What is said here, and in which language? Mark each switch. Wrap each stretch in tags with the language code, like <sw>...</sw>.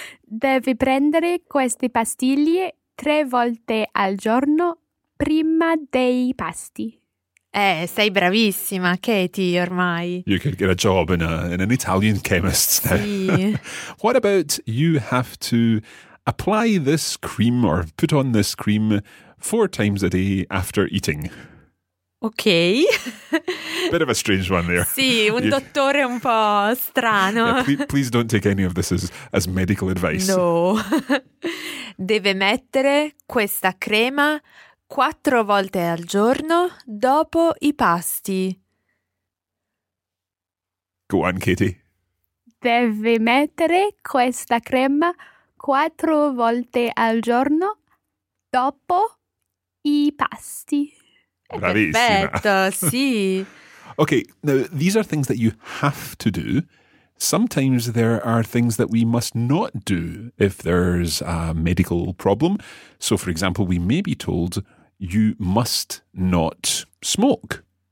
<it>Deve prendere queste pastiglie 3 volte al giorno prima dei pasti. Sei bravissima, Katie, ormai.</it> <en>You could get a job in an Italian chemist's now.</en> <it>Sì.</it> <en>What about you have to apply this cream or put on this cream 4 times a day after eating? Ok. Bit of a strange one there.</en> <it>Sì, un dottore un po' strano.</it> <en>Yeah, please don't take any of this as medical advice. No.</en> <it>Deve mettere questa crema 4 volte al giorno dopo i pasti.</it> <en>Go on, Katie.</en> <it>Deve mettere questa crema 4 volte al giorno dopo i pasti. Bravissima. Perfetto, sì.</it> <en>Okay, now these are things that you have to do. Sometimes there are things that we must not do if there's a medical problem. So, for example, we may be told you must not smoke.</en>